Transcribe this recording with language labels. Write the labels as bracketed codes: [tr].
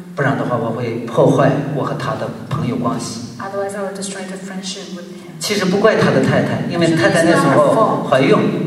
[zh] 不然的话我会破坏我和他的朋友关系。 [en] Otherwise, I will destroy the friendship with him. [zh] 其实不怪他的太太，因为太太那时候怀孕。